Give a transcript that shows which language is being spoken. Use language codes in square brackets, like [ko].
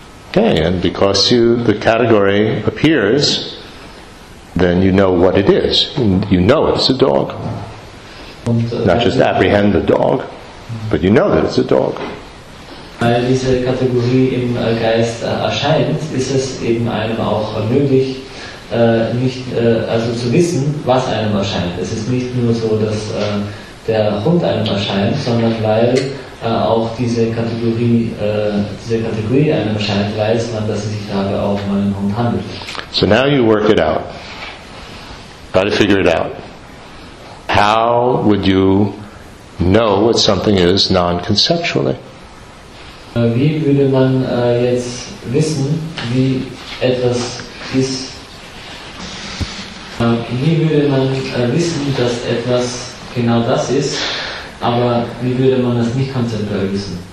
[en] Okay, and because the category appears, then you know what it is. You know it's a dog. Not just apprehend the dog, but you know that it's a dog. [de] Weil diese Kategorie im Geist erscheint, ist es eben einem auch möglich, nicht, also zu wissen, was einem erscheint. Es ist nicht nur so, dass der Hund einem erscheint, sondern weil auch diese Kategorie einem erscheint, weiß man, dass es sich dabei auch um einen Hund handelt. [en] So now you work it out. Try to figure it out. How would you know what something is non-conceptually? [de] Wie würde man jetzt wissen, wie etwas ist? Wie würde man wissen, dass etwas genau das ist, aber wie würde man das nicht konzeptuell wissen?